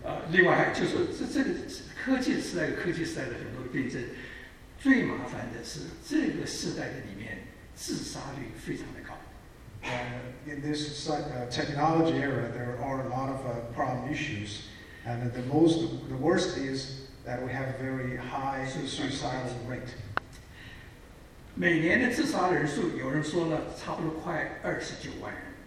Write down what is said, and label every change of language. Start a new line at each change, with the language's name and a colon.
Chinese: 另外就是这个科技时代，科技时代的很多病症，最麻烦的是这个时代的里面自杀率非常的高。
English: In this technology era, there are a lot of problem issues, and the worst is that we have a very high suicidal rate.
Chinese: 每年的自杀人数，有人说呢，差不多快29万人。